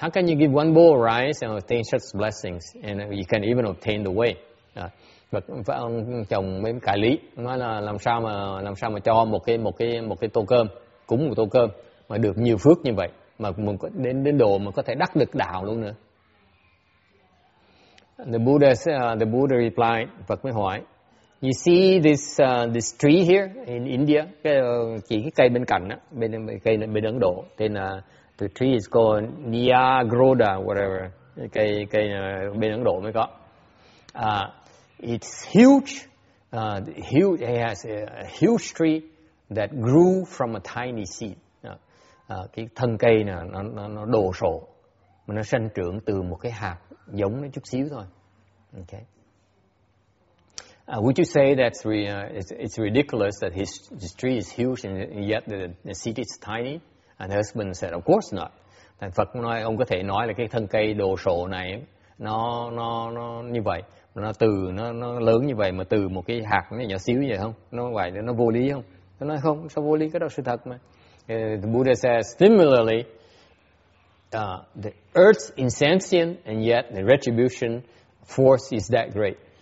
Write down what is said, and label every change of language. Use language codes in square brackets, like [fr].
[en] How can you give one bowl of rice and obtain such blessings, and you can't even obtain the way?" [vi] Ông chồng mới cãi lý, nói là làm sao mà cho một cái tô cơm, cúng một tô cơm mà được nhiều phước như vậy, mà đến đến độ mà có thể đắc được đạo luôn nữa. [en] The Buddha said, the Buddha replied, [vi] Phật mới hỏi, [en] you see this this tree here in India, [vi] chỉ cái cây bên cạnh á, bên cây bên Ấn Độ, tên là [en] the tree is called Niagroda whatever, [vi] cây bên Ấn Độ mới có. [en] It's huge, huge, it has a huge tree that grew from a tiny seed. [vi] Cái thân cây này nó đồ sộ, mà nó sinh trưởng từ một cái hạt giống nó chút xíu thôi. [en] Okay. Would you say that it's ridiculous that his tree is huge and yet the seed is tiny? And the husband said, of course not. [vi] Thành Phật nói, ông có thể nói là cái thân cây đồ sộ này nó như vậy, nó từ nó lớn như vậy mà từ một cái hạt nhỏ xíu vậy không? Nó vậy nó vô lý không? Nó nói không, sao vô lý, cái đó sự thật mà. [en] The Buddha says, similarly, the earth's insentient and yet the retribution force is that great.